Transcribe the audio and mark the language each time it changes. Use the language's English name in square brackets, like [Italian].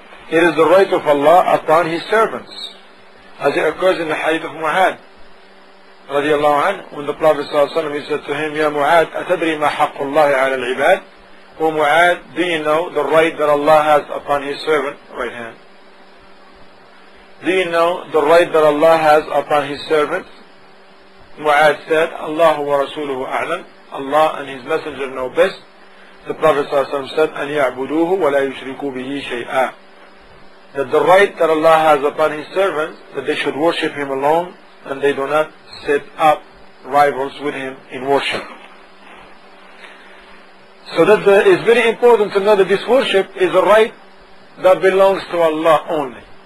[English] It is the right of Allah upon His servants. As it occurs in the hadith of Mu'ad, رضي الله عنه, when the Prophet صلى الله عليه وسلم, he said to him, [Arabic] يا معاد, أتدري ما حق الله على العباد؟ [English] O Mu'ad, do you know the right that Allah has upon His servant? Right hand. Do you know the right that Allah has upon His servant? Mu'ad said, [Arabic] Allah wa Rasuluhu a'lam. [English] Allah and His Messenger know best. The Prophet [Arabic] صلى الله عليه وسلم said, أن يعبدوه ولا يشركوا به شيئا. [English] That the right that Allah has upon His servant, that they should worship Him alone, and they do not set up rivals with Him in worship. So that is very important to know that this worship is a right that belongs to Allah only.